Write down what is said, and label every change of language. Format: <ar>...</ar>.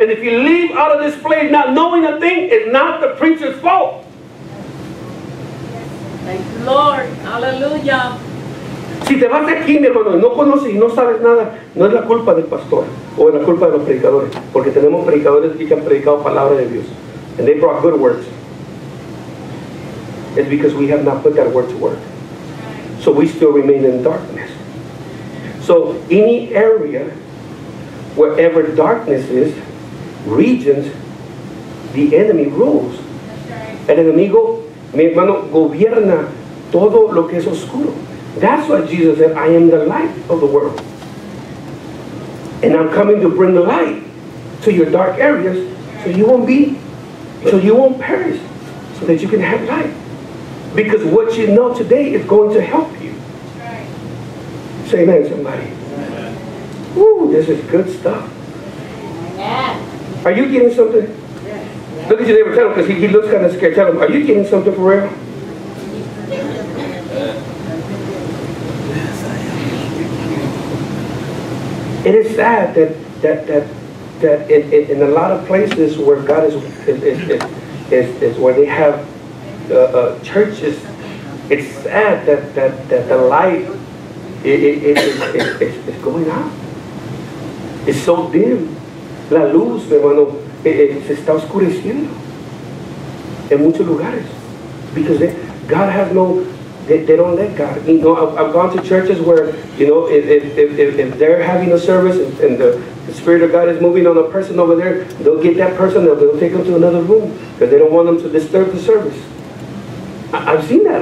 <en>And if you leave out of this place not knowing a thing, it's not the preacher's fault. Thank you, Lord. Hallelujah.</en> <es>Si te vas de aquí, mi hermano, y no conoces y no sabes nada, no es la culpa del pastor o es la culpa de los predicadores. Porque tenemos predicadores que han predicado palabra de Dios.</es> <en>And they brought good words. It's because we have not put that word to work. So we still remain in darkness. So any area, wherever darkness is, regions, the enemy rules. That's right.</en> <es>El enemigo, mi hermano, gobierna todo lo que es oscuro.</es> <en>That's why Jesus said, I am the light of the world. And I'm coming to bring light to your dark areas so you won't be, so you won't perish, so that you can have light. Because what you know today is going to help you. Right. Say amen, somebody. Amen. Ooh, this is good stuff. Yeah. Are you getting something? Yeah. Look at your neighbor, tell him, because he looks kind of scared. Tell him, are you getting something for real? Yes, I am. It is sad that in a lot of places where God is where they have churches, it's sad that the light it's going out. It's so dim.</en> <es>La luz, hermano, se está oscureciendo en muchos lugares.</es> <en>Because God has no, they don't let God. You know, I've gone to churches where, you know, if they're having a service and the Spirit of God is moving on a person over there, they'll get that person and they'll take them to another room because they don't want them to disturb the service. I've seen that.</en>